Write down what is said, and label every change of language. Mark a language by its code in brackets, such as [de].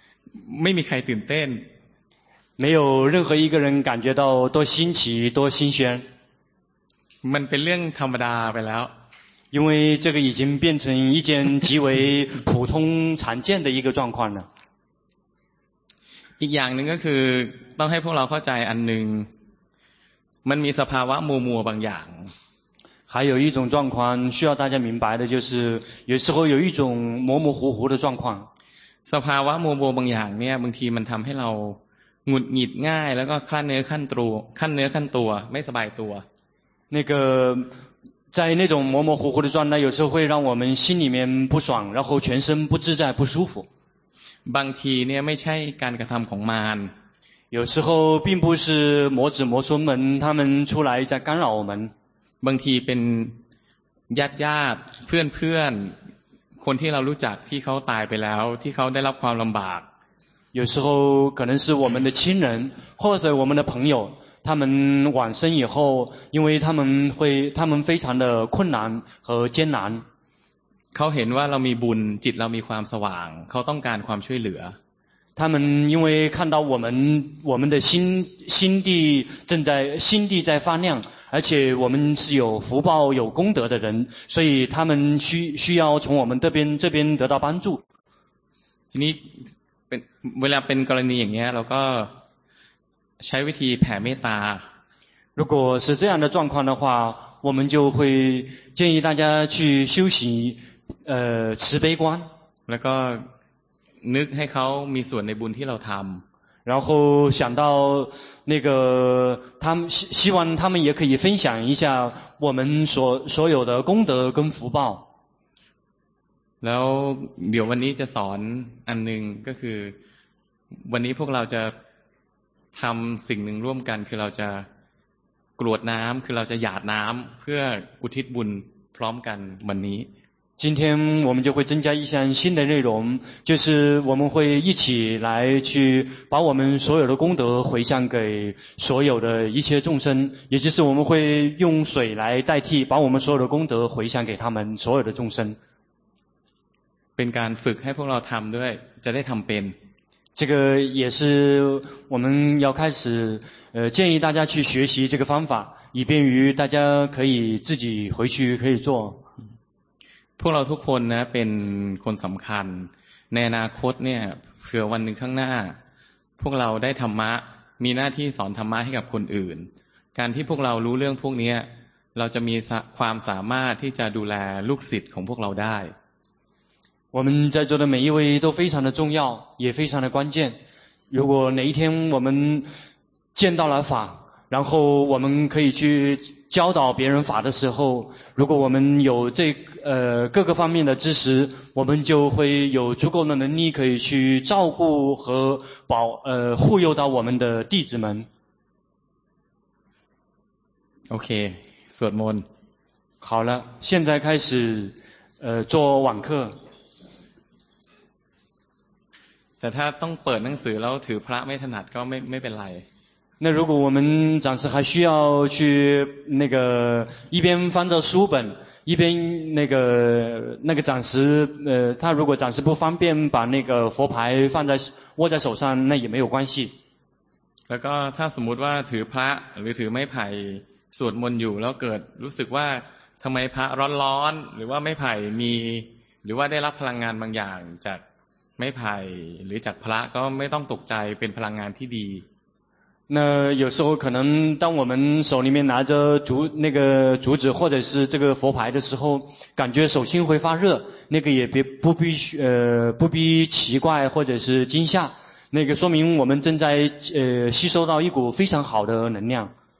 [th] ไม่มีใครตื่นเต้น [zh] 没有任何一个人感觉到多新奇多新鲜 [th] มันเป็นเรื่องธรรมดาไปแล้ว [zh] 因为这个已经变成一件极为普通常见的一个状况了 [th] อีกอย่างหนึ่งก็คือต้องให้พวกเราเข้าใจอันหนึ่งมันมีสภาวะมัวบางอย่าง [zh] 还有一种状况需要大家明白的就是有时候有一种模模糊糊的状况 [th] สภาวะมัวบางอย่างเนี่ยบางทีมันทำให้เราหงุดหงิดง่ายแล้วก็ขั้นเนื้อขั้นตัวไม่สบายตัว [zh] 那个在那种模模糊糊的状态有时候会让我们心里面不爽然后全身不自在不舒服 [th] บางทีเนี่ยไม่ใช่การกระทำของมาร [zh] 有时候并不是魔子魔孙们他们出来在干扰我们 [th] บางทีเป็นญาติเพื่อนคนที่เรารู้จักที่เขาตายไปแล้วที่เขาได้รับความลำบาก [zh] 有时候可能是我们的亲人或者我们的朋友他们往生以后因为他们非常的困难和艰难 [th] เขาเห็นว่าเรามีบุญจิตเรามีความสว่างเขาต้องการความช่วยเหลือ [zh] 他们因为看到我们的心地在发亮而且我们是有福报有功德的人所以他们需要从我们这边得到帮助 [th] ทีนี้เวลาเป็นกรณีอย่างเงี้ยเราก็ใช้วิธีแผ่เมตตา [zh] 如果是这样的状况的话我们就会建议大家去修习慈悲观 [th] แล้วก็นึกให้เขามีส่วนในบุญที่เราทำ [zh] 然后想到那个他们希望他们也可以分享一下我们所有的功德跟福报 [th] แล้วเดี๋ยววันนี้จะสอนอันหนึ่งก็คือวันนี้พวกเราจะทำสิ่งหนึ่งร่วมกันคือเราจะกรวดน้ำคือเราจะหยาดน้ำเพื่ออุทิศบุญ พร้อมกันวันนี้ [zh] 今天我们就会增加一项新的内容就是我们会一起来去把我们所有的功德回向给所有的一切众生也就是我们会用水来代替把我们所有的功德回向给他们所有的众生 [th] เป็นการฝึกให้พวกเราทำด้วยจะได้ทำเป็น [zh] 这个也是我们要开始建议大家去学习这个方法以便于大家可以自己回去可以做 [th] พวกเราทุกคนนะเป็นคนสำคัญในอนาคตเนี่ยเผื่อวันหนึ่งข้างหน้าพวกเราได้ธรรมะมีหน้าที่สอนธรรมะให้กับคนอื่นการที่พวกเรารู้เรื่องพวกนี้เราจะมีความสามารถที่จะดูแลลูกศิษย์ของพวกเราได้ [zh] 我们在座的每一位都非常的重要也非常的关键如果哪一天我们见到了法然后我们可以去教导别人法的时候如果我们有这各个方面的知识我们就会有足够的能力可以去照顾和保护佑到我们的弟子们 OK Sword Moon 好了现在开始做网课 [th] แต่ถ้าต้องเปิดหนังสือแล้วถือพระไม่ถนัดก็ไม่เป็นไร [zh] 那如果我们暂时还需要去那个一边翻着书本一边那个暂时他如果暂时不方便把那个佛牌放在握在手上那也没有关系 [th] แล้วก็ถ้าสมมติว่าถือพระหรือถือไม้ไผ่สวดมนต์อยู่แล้วเกิดรู้สึกว่าทำไมพระร้อนๆหรือว่าไม้ไผ่มีหรือว่าได้รับพลังงานบางอย่างจากไม่ไผ่หรือจากพระก็ไม่ต้องตกใจเป็นพลังงานที่ดี [zh] 那有时候可能当我们手里面拿着竹那个竹子或者是这个佛牌的时候感觉手心会发热那个也别不必不必奇怪或者是惊吓那个说明我们正在吸收到一股非常好的能量